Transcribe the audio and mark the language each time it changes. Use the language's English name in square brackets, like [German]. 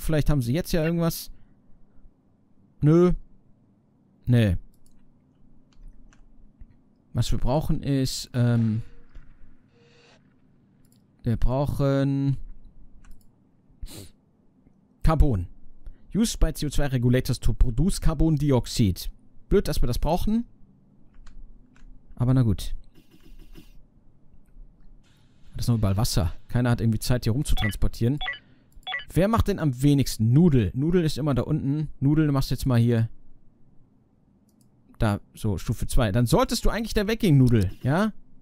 [German] Vielleicht haben sie jetzt ja irgendwas. Nö. Nee. Was wir brauchen ist, wir brauchen Carbon. [English] Used by CO2 Regulators to produce Carbon Dioxide. [German] Blöd, dass wir das brauchen. Aber na gut. Das ist noch überall Wasser. Keiner hat irgendwie Zeit, hier rumzutransportieren. Wer macht denn am wenigsten? Nudel. Nudel ist immer da unten. Nudel, du machst jetzt mal hier. Da, so, Stufe 2. Dann solltest du eigentlich da weggehen, Nudel, ja?